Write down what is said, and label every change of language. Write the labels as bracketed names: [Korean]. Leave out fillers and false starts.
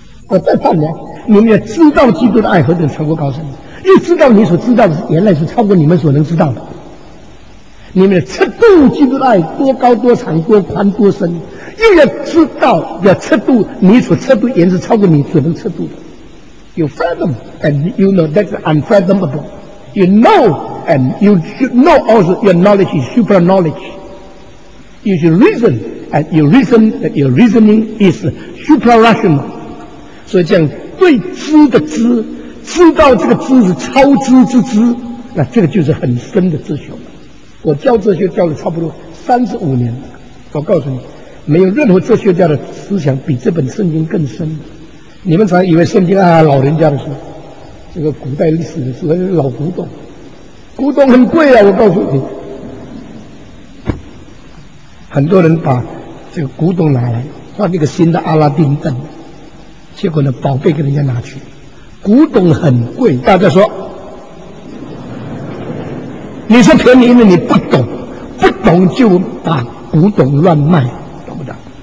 [Chinese] 我再放了，你们要知道基督的爱何等超过高深，又知道你所知道的原来是超过你们所能知道的。你们的测度基督的爱多高多长多宽多深，又要知道要测度你所测度也是超过你所能测度的。 [English] You fathom and you know that's unfathomable. You know and you should know also your knowledge is super knowledge. You should reason and you reason that your reasoning is super rational. [Chinese] 所以这样对知的知，知道这个知是超知之知，那这个就是很深的哲学。我教哲学教了差不多35年了，我告诉你，没有任何哲学家的思想比这本圣经更深。你们常以为圣经啊，老人家的书，这个古代历史的书，老古董，古董很贵啊，我告诉你，很多人把这个古董拿来换那个新的阿拉丁灯，结果呢宝贝给人家拿去，古董很贵，大家说，你说便宜，因为你不懂，不懂就把古董乱卖，懂不懂？